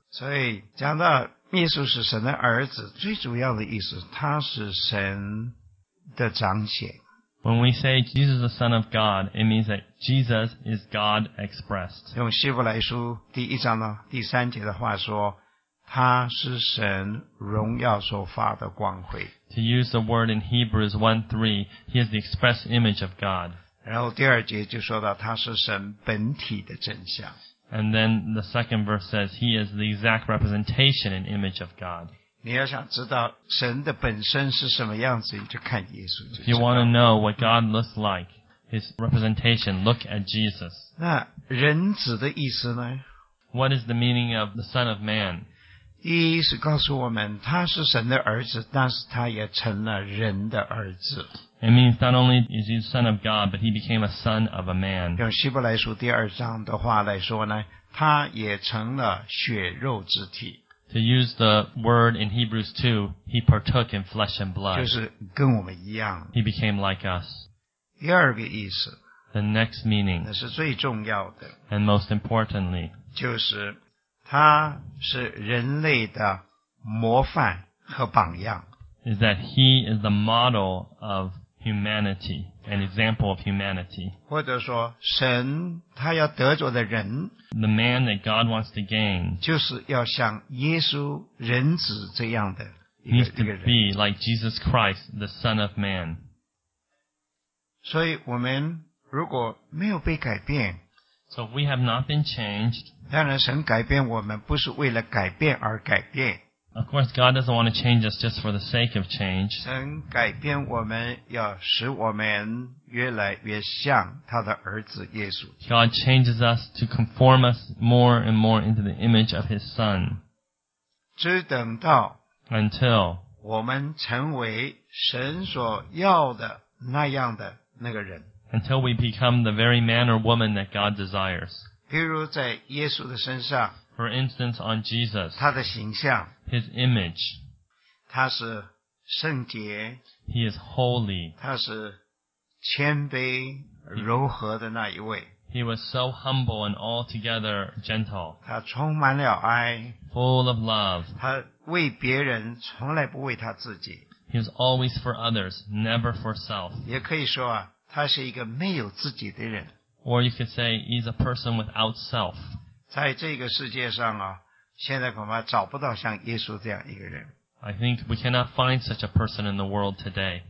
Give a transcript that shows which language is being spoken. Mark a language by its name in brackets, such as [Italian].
[Chinese] 所以讲到耶稣是神的儿子，最主要的意思，他是神的彰显。 [English] When we say Jesus is the Son of God, it means that Jesus is God expressed. [Chinese] 用希伯来书第一章的第三节的话说，他是神荣耀所发的光辉。 [English] To use the word in Hebrews 1:3, he is the express image of God. [Chinese] 然后第二节就说到他是神本体的真相。 [English] And then the second verse says, He is the exact representation and image of God. [Chinese] 你要想知道神的本身是什么样子，你就看耶稣就知道。 [English] If you want to know what God looks like, His representation, look at Jesus. [Chinese] 那人子的意思呢？ [English] What is the meaning of the Son of Man? [Chinese] 意义是告诉我们，他是神的儿子，但是他也成了人的儿子。 [English] It means not only is he the son of God, but he became a son of a man. [Chinese] 用希伯来书第二章的话来说呢，他也成了血肉之体。 [English] To use the word in Hebrews 2, he partook in flesh and blood. [Chinese] 就是跟我们一样。 [English] He became like us. [Chinese] 第二个意思。 [English] The next meaning. [Chinese] 那是最重要的。 [English] And most importantly. [Chinese] 就是他是人类的模范和榜样。 [English] Is that he is the model of humanity, an example of humanity. [Chinese] 或者说神他要得着的人 [English] The man that God wants to gain. [Chinese] 就是要像耶稣人子这样的一个 [English] Needs to be like Jesus Christ, the Son of Man. [Chinese] 所以我们如果没有被改变 [English] So we have not been changed. [Chinese] 当然神改变我们不是为了改变而改变 [English] Of course, God doesn't want to change us just for the sake of change. [Chinese] 神改变我们，要使我们越来越像他的儿子耶稣。 [English] God changes us to conform us more and more into the image of his son. [Chinese] 只等到 [English] Until [Chinese] 我们成为神所要的那样的那个人。 [English] Until we become the very man or woman that God desires. [Chinese] 比如在耶稣的身上 [English] For instance, on Jesus. [Chinese] 他的形象 [English] His image. [Chinese] 他是圣洁 [English] He is holy. [Chinese] 他是谦卑柔和的那一位 [English] He was so humble and altogether gentle. [Chinese] 他充满了爱 [English] Full of love. [Chinese] 他为别人从来不为他自己 [English] He was always for others, never for self. [Chinese] 也可以说啊，他是一个没有自己的人 [English] Or you could say he's a person without self. [Chinese] 在这个世界上啊现在恐怕找不到像耶稣这样一个人。 [English] I think we cannot find such a person in the world today.